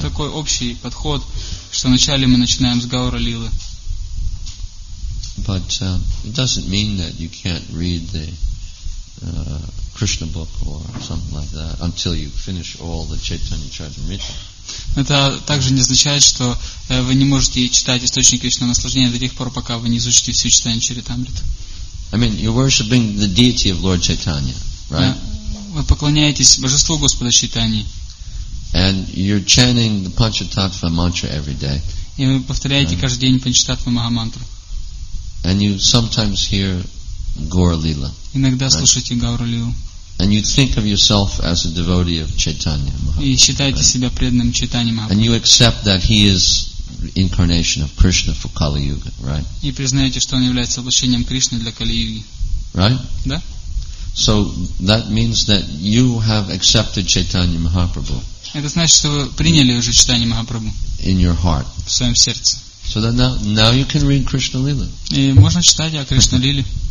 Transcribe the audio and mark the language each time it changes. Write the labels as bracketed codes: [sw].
[ru] Такой общий подход, что вначале мы начинаем с Гаура Лилы. [en] But it doesn't mean that you can't read the Krishna book or something like that until you finish all the Chaitanya Charitamrita. [ru] Это также не означает, что вы не можете читать источники вечного наслаждения до тех пор, пока вы не изучите всю Чайтанья Чаритамриту. [en] I mean, you're worshiping the deity of Lord Chaitanya, right? [ru] Вы поклоняетесь божеству Господа Чайтаньи. [en] And you're chanting the Panchatattva mantra every day. [ru] И вы повторяете каждый день Панчататва Махамантру. [en] And you sometimes hear Gaura Lila. [ru] Иногда слушаете Гауру Лилу. [en] And you think of yourself as a devotee of Chaitanya [ru] Mahaprabhu. И считаете себя преданным Чайтаньи Махапрабху. [en] And you accept that he is incarnation of Krishna for Kali Yuga, right? [ru] И признаете, что он является воплощением Кришны для Кали Юги. [en] Right? [ru] Да. [en] So that means that you have accepted Chaitanya Mahaprabhu. [ru] Это значит, что вы приняли уже Чайтанья Махапрабху. [en] In your heart. [ru] В своем сердце. [en] So then now you can read Krishna Lila. [ru] И можно читать о Кришна Лиле.